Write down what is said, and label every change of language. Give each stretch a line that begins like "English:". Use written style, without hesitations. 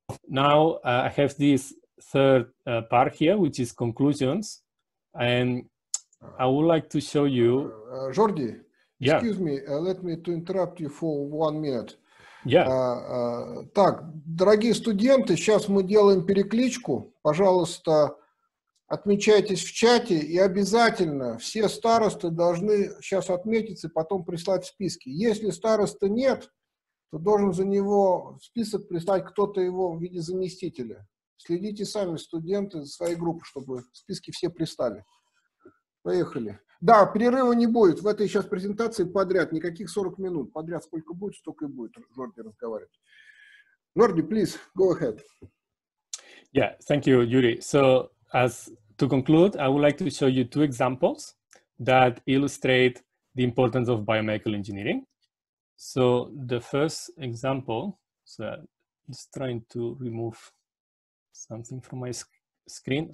English: now. I have this third part here, which is conclusions, and I would like to show you. Jordi, yeah. Excuse me, let me to interrupt you for 1 minute. Yeah.
Russian: Так, дорогие студенты, сейчас мы делаем перекличку. Пожалуйста, отмечайтесь в чате, и обязательно все старосты должны сейчас отметиться и потом прислать в списки. Если староста нет, то должен за него в список прислать кто-то его в виде заместителя. Следите сами, студенты, за своей группы, чтобы в списке все пристали. Поехали. Да, перерыва не будет. В этой сейчас презентации подряд, никаких 40 минут. Подряд сколько будет, столько и будет Жорди разговаривать.
English: Жорди, please, go ahead. Yeah, thank you, Yuri. So, as to conclude, I would like to show you two examples that illustrate the importance of biomedical engineering. So the first example, so I'm just trying to remove something from my screen.